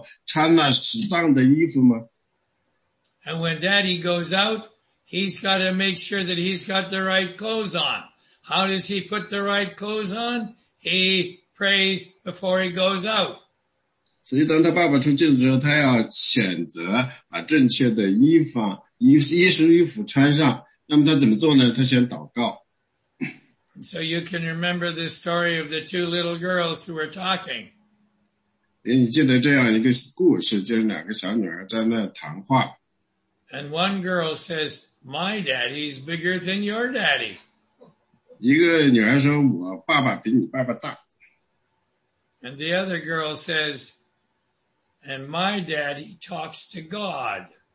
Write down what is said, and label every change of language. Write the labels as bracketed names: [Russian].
[Chinese] 有时候妈妈会跟小男孩说，你今天上学的时候穿了适当的衣服吗？ [English] And when daddy goes out, he's got to make sure that he's got the right clothes on. How does he put the right clothes on? He prays before he goes out. [Chinese] 所以当他爸爸出镜子的时候，他要选择把正确的衣服穿上。那么他怎么做呢？他先祷告。 [English] So you can remember the story of the two little girls who were talking. [Chinese] 你记得这样一个故事，就是两个小女儿在那谈话。 [English] And one girl says, my daddy's bigger than your daddy. [Chinese] 一个女儿说，我爸爸比你爸爸大。 [English] And the other girl says, and my daddy talks to God.